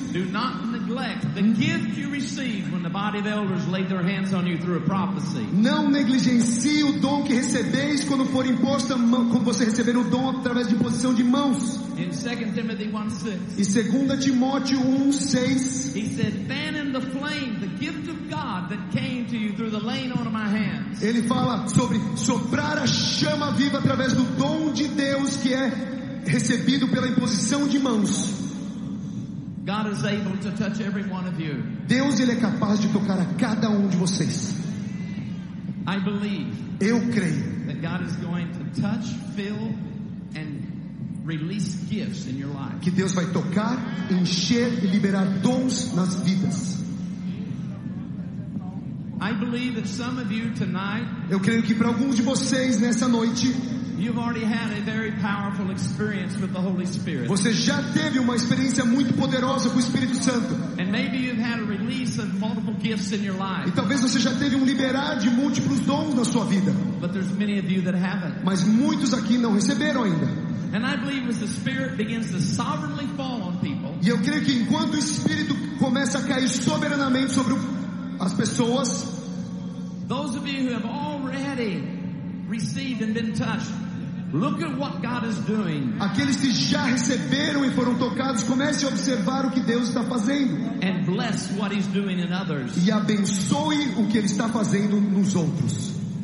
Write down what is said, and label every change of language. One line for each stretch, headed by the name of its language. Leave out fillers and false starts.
English: do not neglect the gift you received when the body of elders laid their hands on you through a prophecy.
Portuguese: Não negligencie o dom que recebeis quando for imposta a mão, quando você receber o dom através de imposição de mãos.
English: In 2 Timothy 1:6.
Portuguese: E 2 Timóteo 1:6.
English: He said, fan in the flame the gift of God that came to you through the laying on of my hands.
Portuguese: Ele fala sobre soprar a chama viva através do dom de Deus que é recebido pela imposição de mãos.
English: God is able to touch every one of you.
Portuguese: Deus ele é capaz de tocar a cada de vocês.
English: I believe.
Portuguese: Eu creio.
English: That God is going to touch, fill, and release gifts in your life.
Portuguese: Que Deus vai tocar, encher e liberar dons nas vidas.
English: I believe that some of you tonight.
Portuguese: Eu creio que para alguns de vocês nessa noite.
English: You've already had a very powerful experience with the Holy Spirit.
Portuguese: Você já teve uma experiência muito poderosa com o Espírito Santo.
English: And maybe you've had a release of multiple gifts in your life.
Portuguese: E talvez você já teve liberar de múltiplos dons na sua vida.
English: But there's many of you that haven't.
Portuguese: Mas muitos aqui não receberam ainda.
English: And I believe as the Spirit begins to sovereignly fall on people.
Portuguese: E eu creio que enquanto o Espírito começa a cair soberanamente sobre as pessoas.
English: Those of you who have already received and been touched, look at what God is doing.
Portuguese: Aqueles que já receberam e foram tocados, comece a observar o que Deus está fazendo.
English: And bless what he's doing in others.
Portuguese: E abençoe o que ele está fazendo nos outros.